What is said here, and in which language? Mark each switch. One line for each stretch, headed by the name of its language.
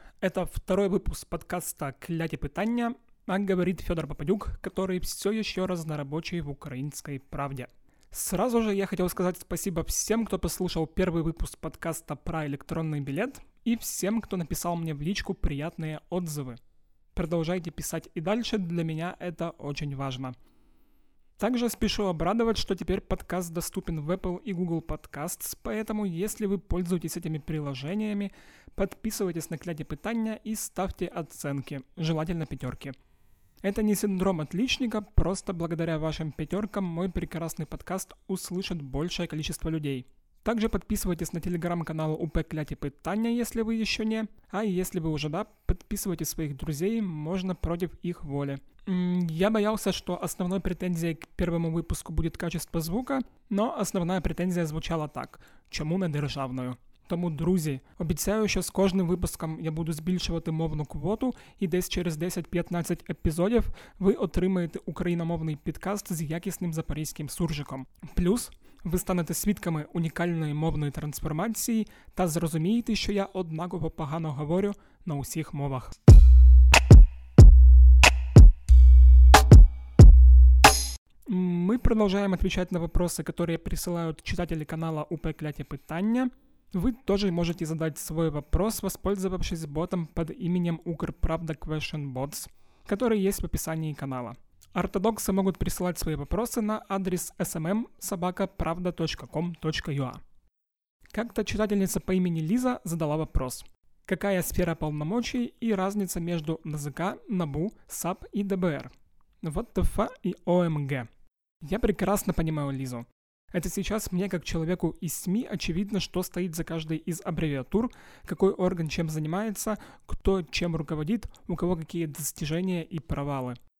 Russian: Это второй выпуск подкаста «Кляті питання», а говорит Федор Попадюк, который все еще разнорабочий в «Украинской правде». Сразу же я хотел сказать спасибо всем, кто послушал первый выпуск подкаста про электронный билет, и всем, кто написал мне в личку приятные отзывы. Продолжайте писать и дальше, для меня это очень важно. Также спешу обрадовать, что теперь подкаст доступен в Apple и Google Podcasts, поэтому если вы пользуетесь этими приложениями, подписывайтесь на «Кляті питання» и ставьте оценки, желательно пятерки. Это не синдром отличника, просто благодаря вашим пятеркам мой прекрасный подкаст услышит большее количество людей. Также подписывайтесь на телеграм-канал УП «Кляті питання», если вы еще не, а если вы уже да, подписывайте своих друзей, можно против их воли. Я боялся, что основной претензией к первому выпуску будет качество звука, но основная претензия звучала так –
Ukrainian: чому не державною? Тому, друзі, обіцяю, що з кожним випуском я буду збільшувати мовну квоту, і десь через 10-15 епізодів ви отримаєте україномовний підкаст з якісним запорізьким суржиком. Плюс ви станете свідками унікальної мовної трансформації та зрозумієте, що я однаково погано говорю на усіх мовах.
Russian: Мы продолжаем отвечать на вопросы, которые присылают читатели канала УП «Кляті питання». Вы тоже можете задать свой вопрос, воспользовавшись ботом под именем «Укрправда Question Bots», который есть в описании канала. Ортодоксы могут присылать свои вопросы на адрес smm@pravda.com.ua. Как-то читательница по имени Лиза задала вопрос. Какая сфера полномочий и разница между НЗК, НАБУ, САП и ДБР? ВТФ и ОМГ. Я прекрасно понимаю Лизу. Это сейчас мне, как человеку из СМИ, очевидно, что стоит за каждой из аббревиатур, какой орган чем занимается, кто чем руководит, у кого какие достижения и провалы.